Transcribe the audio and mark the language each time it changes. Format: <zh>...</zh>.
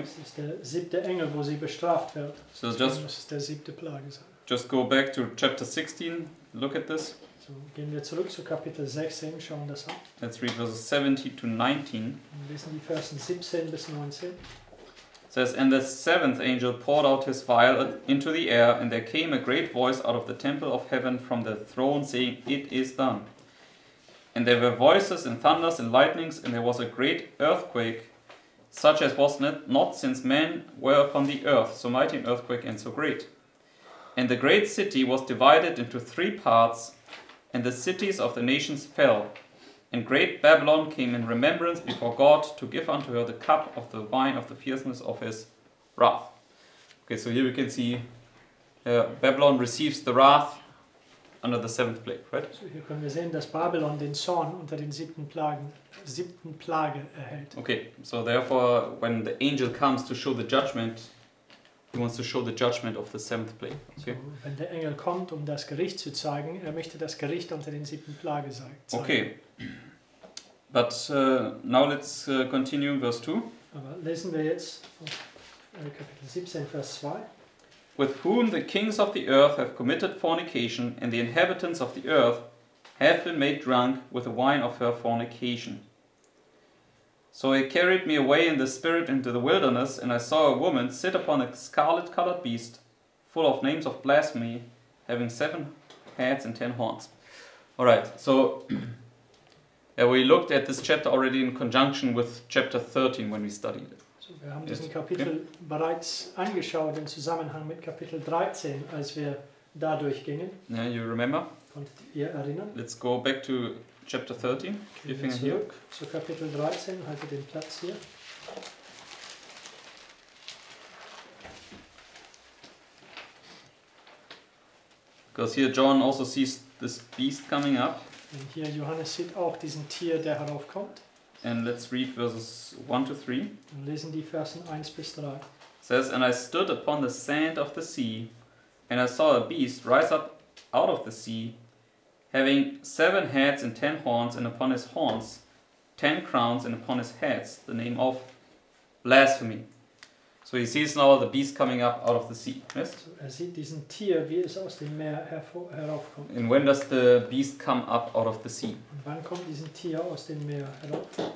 <de>Das ist der siebte Engel, wo sie bestraft wird.</de> <en>So just,</en> <de>das ist der siebte Plage.</de> <en>Just go back to chapter 16, look at this.</en> <de>So gehen wir zurück zu Kapitel 16, schauen das an.</de> <en>Let's read verses 17 to 19.</en> <de>Und lesen die Versen 17 bis 19.</de> <en>It says, and the seventh angel poured out his vial into the air, and there came a great voice out of the temple of heaven from the throne, saying, it is done. And there were voices and thunders and lightnings, and there was a great earthquake, such as was not since men were upon the earth, so mighty an earthquake and so great. And the great city was divided into three parts, and the cities of the nations fell. And great Babylon came in remembrance before God to give unto her the cup of the wine of the fierceness of his wrath. Okay, so here we can see Babylon receives the wrath under the seventh plague, right? So here</en> <de>können wir sehen, dass Babylon den Zorn unter den siebten Plage erhält.</de> <en>Okay, so therefore, when the angel comes to show the judgment, he wants to show the judgment of the seventh plague. Okay.</en> <de>So, wenn der Engel kommt, um das Gericht zu zeigen, er möchte das Gericht unter den siebten Plage zeigen.</de> <en>Okay, but now let's continue verse 2.</en> <de>Aber lesen wir jetzt Kapitel 17, Vers 2.</de> <en>With whom the kings of the earth have committed fornication, and the inhabitants of the earth have been made drunk with the wine of her fornication. So he carried me away in the spirit into the wilderness, and I saw a woman sit upon a scarlet-colored beast, full of names of blasphemy, having seven heads and ten horns. All right, so we looked at this chapter already in conjunction with chapter 13 when we studied it.</en> <de>Wir haben diesen Kapitel bereits angeschaut im Zusammenhang mit Kapitel 13, als wir da durchgingen.</de> <en>Yeah, you remember?</en> <de>Konntet ihr erinnern?</de> <en>Let's go back to chapter 13.</en> <de>Gehen wir zurück zu Kapitel 13, halte den Platz hier.</de> <en>Because here John also sees this beast coming up.</en> <de>Und hier Johannes sieht auch diesen Tier, der heraufkommt.</de> <en>And let's read verses 1 to 3.</en> <de>Und lesen die Versen 1 bis 3. It</de> <en>says, and I stood upon the sand of the sea, and I saw a beast rise up out of the sea, having seven heads and ten horns, and upon his horns ten crowns, and upon his heads the name of blasphemy. So he sees now the beast coming up out of the sea. Yes?</en> <de>Er sieht diesen Tier, wie es aus dem Meer heraufkommt.</de> <en>And when does the beast come up out of the sea?</en> <de>Und wann kommt diesen Tier aus dem Meer herauf?</de>